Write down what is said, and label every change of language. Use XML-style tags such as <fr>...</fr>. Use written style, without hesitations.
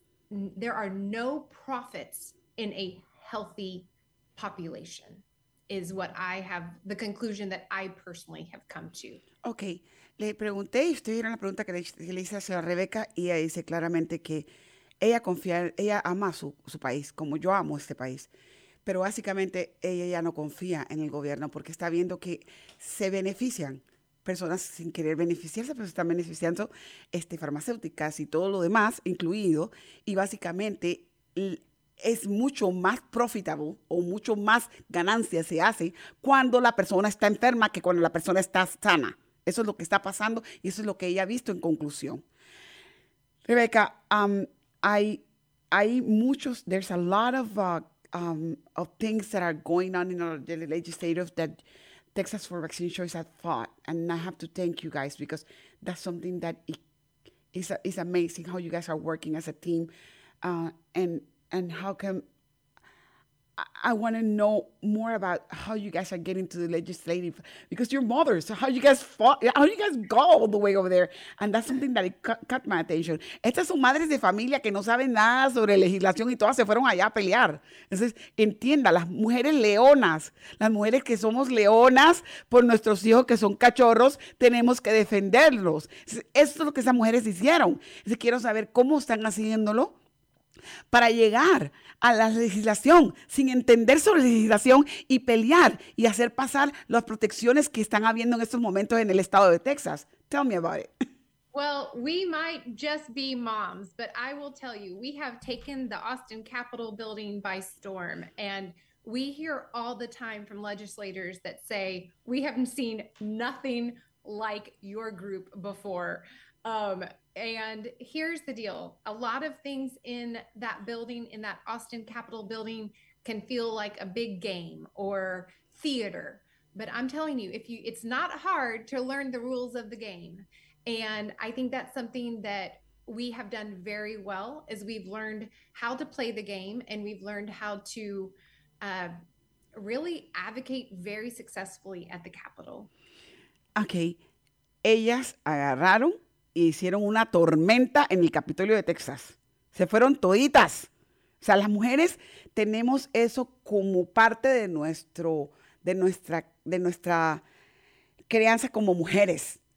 <en>There are no profits in a healthy population is what I have, the conclusion that I personally have come to. Okay.</en> <es>Le pregunté, usted era la pregunta que le hice hacia Rebecca y ella dice claramente que ella ama su país, como yo amo este país. Pero básicamente ella ya no confía en el gobierno porque está viendo que se benefician personas sin querer beneficiarse, pero se están beneficiando farmacéuticas y todo lo demás incluido. Y básicamente es mucho más profitable o mucho más ganancia se hace cuando la persona está enferma que cuando la persona está sana. Eso es lo que está pasando y eso es lo que ella ha visto en conclusión.</es> <en>Rebecca, there's a lot of things that are going on in the legislative that Texas for Vaccine Choice had fought. And I have to thank you guys because that's something that is amazing how you guys are working as a team. And how come I want to know more about how you guys are getting to the legislative because you're mothers. So how you guys fought? How you guys go all the way over there? And that's something that caught my attention.</en> <es>Estas son madres de familia que no saben nada sobre legislación y todas se fueron allá a pelear. Entonces entienda, las mujeres leonas, las mujeres que somos leonas por nuestros hijos que son cachorros, tenemos que defenderlos. Entonces, esto es lo que esas mujeres hicieron. Entonces, quiero saber cómo están haciéndolo. para llegar a la legislación sin entender sobre legislación y pelear y hacer pasar las protecciones que están habiendo en estos momentos en el estado de Texas.</es> <en>Tell me about it. Well, we might just be moms, but I will tell you, we have taken the Austin Capitol building by storm, and we hear all the time from legislators that say, we haven't seen nothing like your group before. And here's the deal. A lot of things in that building, in that Austin Capitol building, can feel like a big game or theater. But I'm telling you, it's not hard to learn the rules of the game. And I think that's something that we have done very well, is we've learned how to play the game, and we've learned how to really advocate very successfully at the Capitol. Okay.</en> <es>Ellas agarraron y hicieron una tormenta en el Capitolio de Texas. Se fueron toditas. O sea, las mujeres tenemos eso como parte de nuestra crianza como mujeres.</es>